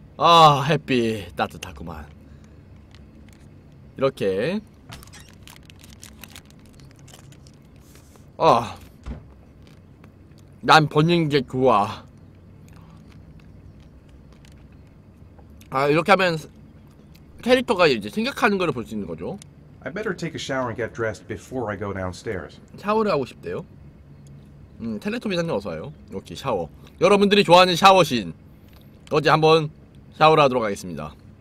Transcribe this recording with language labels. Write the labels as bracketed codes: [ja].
[ko] 아, 햇빛 따뜻하구만. 이렇게. 아, 난 버는 게 좋아. 아, 이렇게 하면 캐릭터가 이제 생각하는 걸 볼 수 있는 거죠. [en] I better take a shower and get dressed before I go downstairs. [ko] 샤워를 하고 싶대요. 텔레토비 장면 어서 와요. 이렇게 샤워. 여러분들이 좋아하는 샤워신. 어제 한번 샤워를 하도록 하겠습니다.